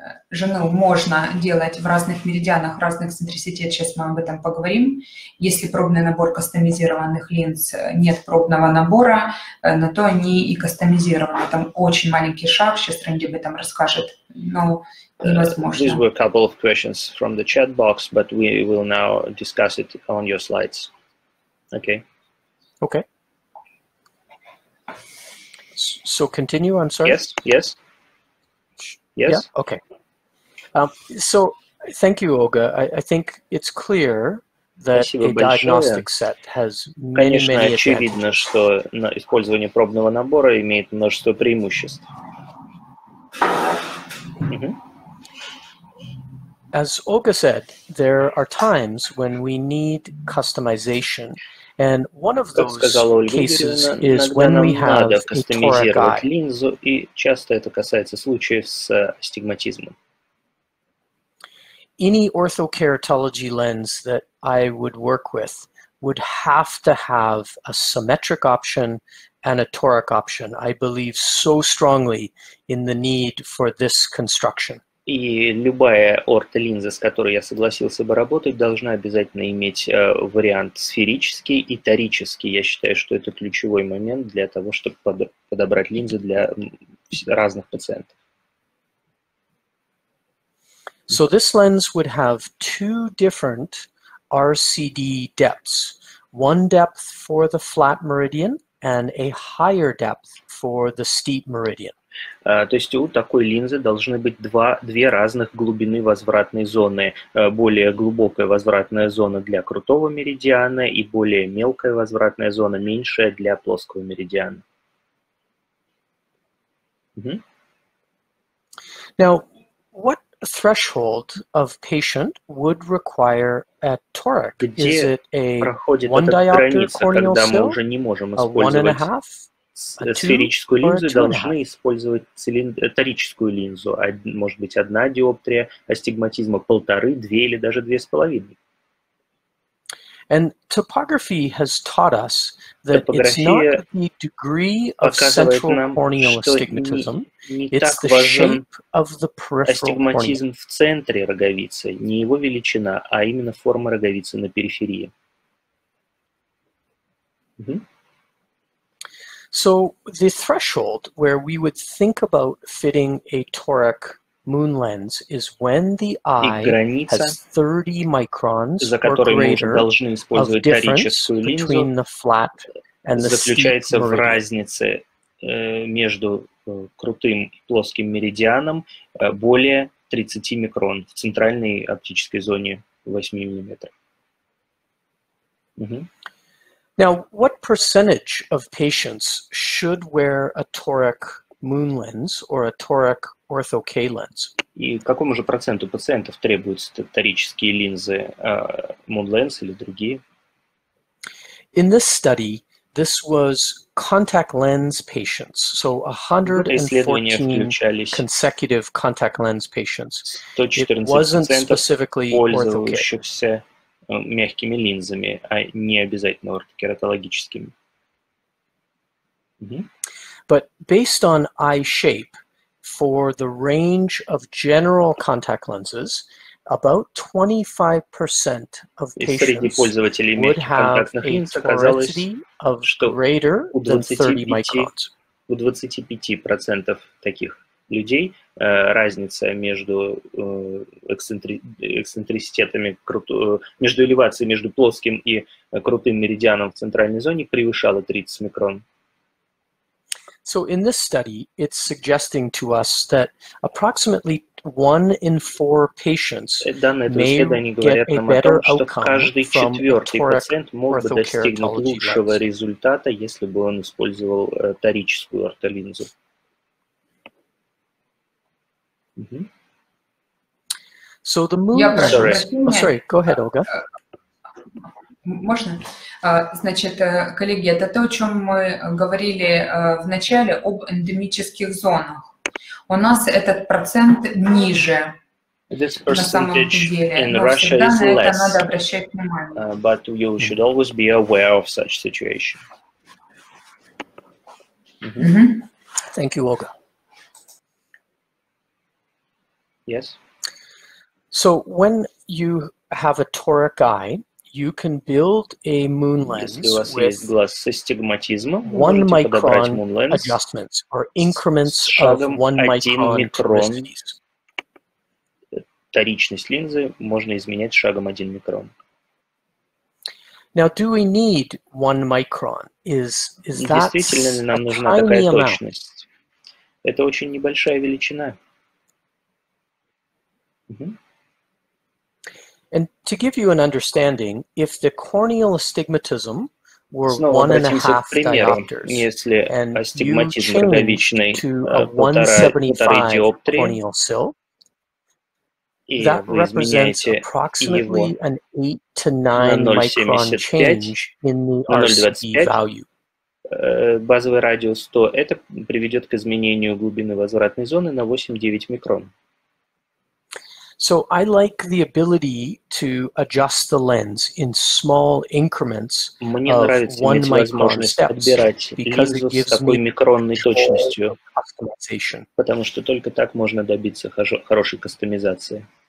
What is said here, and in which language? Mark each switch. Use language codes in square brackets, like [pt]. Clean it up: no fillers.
[ru] Жену можно делать в разных меридианах, в разных центриситет, сейчас мы об этом поговорим. Если пробный набор кастомизированных линз, нет пробного набора, на то они и кастомизированы. Там очень маленький шаг, сейчас Рэнди об этом расскажет, но невозможно. [en] These were a couple of questions from the chat box, but we will now discuss it on your slides. Okay. Okay. So continue, I'm sorry. Yes. Yeah, okay. So, thank you, Olga. I think it's clear that a diagnostic set has many, [ru] конечно, [en] many advantages. [ru] Очевидно, что использование пробного набора имеет множество преимуществ. [en] As Olga said, there are times when we need customization, and one of those cases is when we have a toric eye. [ru] Линзу, и часто это касается случаев с астигматизмом. [en] Any orthokeratology lens that I would work with would have to have a symmetric option and a toric option. I believe so strongly in the need for this construction. [ru] И любая ортолинза, с которой я согласился бы работать, должна обязательно иметь вариант сферический и торический. Я считаю, что это ключевой момент для того, чтобы подобрать линзы для разных пациентов. [en] So this lens would have two different RCD depths, one depth for the flat meridian and a higher depth for the steep meridian. [ru] То есть у такой линзы должны быть две разных глубины возвратной зоны, более глубокая возвратная зона для крутого меридиана и более мелкая возвратная зона, меньшая для плоского меридиана. [en] Now, what threshold of patient would require a toric? [ru] Где [en] is it a one diopter corneal still, a one and a half, a two, [ru] сферическую линзу, должны использовать торическую линзу, может быть, одна диоптрия астигматизма, полторы, две или даже две с половиной. [en] And topography has taught us that it's not the degree of central corneal astigmatism, it's the shape of the peripheral cornea. [ru] Астигматизм в центре роговицы, не его величина, а именно форма роговицы на периферии. [en] So the threshold where we would think about fitting a toric moon lens is when the eye has 30 microns or greater of difference between the flat and the steep meridian. [ru] Заключается в разнице между крутым и плоским меридианом более 30 микрон в центральной оптической зоне 8 миллиметров. [en] Now, what percentage of patients should wear a toric moon lens or a toric ortho-K lens? [ru] И какому же проценту пациентов требуются торические линзы MoonLens или другие? [en] In this study, this was contact lens patients, so 114 consecutive contact lens patients. It wasn't specifically [ru] пользующихся мягкими линзами, а не обязательно ортокератологическими. [en] But based on eye shape, for the range of general contact lenses, about 25% of patients would have a toricity of greater than 30 microns. [ru] У 25% таких людей разница между эксцентриситетами, между элевацией между плоским и крутым меридианом в центральной зоне превышала 30 микрон. [en] So in this study, it's suggesting to us that approximately one in four patients may get a better outcome from toric ortho-keratology. So the MoonLens. Sorry, go ahead, Olga. [ru] Можно? Значит, коллеги, это то, о чем мы говорили в начале об эндемических зонах. У нас этот процент ниже на самом деле. Но всегда на это надо обращать внимание. [en] But you should always be aware of such situation. Thank you, Olga. Yes. So when you have a toric eye, you can build a moon lens with one micron adjustments or increments of one micron. [ru] Торичность линзы можно изменять шагом один микрон. [en] Now, do we need one micron? Is that [ru] действительно нам нужна такая точность? Это очень небольшая величина. [en] And to give you an understanding, if the corneal astigmatism were 1.5 diopters, and you change to a 175 corneal sill, that represents approximately an 8 to 9 micron change in the RCD value. [ru] Базовый радиус 100, это приведет к изменению глубины возвратной зоны на 8-9 микрон. [en] So I like the ability to adjust the lens in small increments of one micron steps because it gives me customization. [ru] Потому что только так можно добиться хорошей кастомизации.